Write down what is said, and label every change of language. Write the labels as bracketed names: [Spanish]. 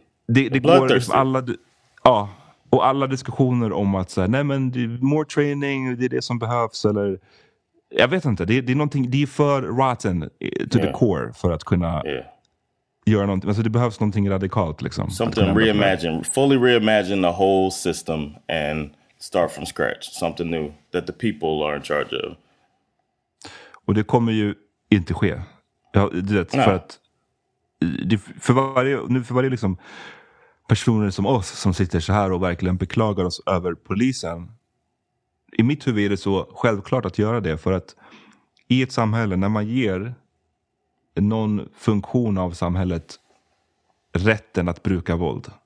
[Swedish] Det går liksom alla, ja, och alla diskussioner om att så här, nej men [English] more training, [Swedish] det är det som behövs, eller jag vet inte, det är någonting, det är för [English] rotten to the core [Swedish] för att kunna göra någonting. Alltså det behövs någonting radikalt liksom. [English] Something reimagine, fully reimagine the whole system and start from scratch, something new that the people are in charge of. [Swedish] Och det kommer ju inte ske. Ja, det är för att det för varje nu för varje liksom personer som oss som sitter så här och verkligen beklagar oss över polisen. I mitt huvud är det så självklart att göra det, för att i ett samhälle när man ger någon funktion av samhället rätten att bruka våld.